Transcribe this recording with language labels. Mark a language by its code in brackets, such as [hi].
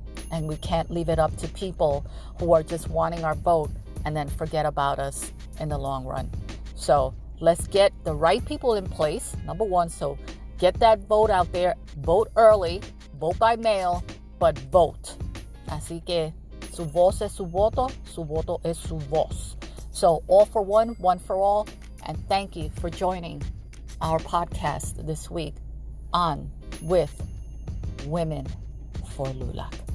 [en] And we can't leave it up to people who are just wanting our vote and then forget about us in the long run. So let's get the right people in place, number one. So get that vote out there, vote early, vote by mail, but vote. [es] Así que su voz es su voto es su voz. [en] So all for one, one for all. And thank you for joining our podcast this week on with Women for LULAC.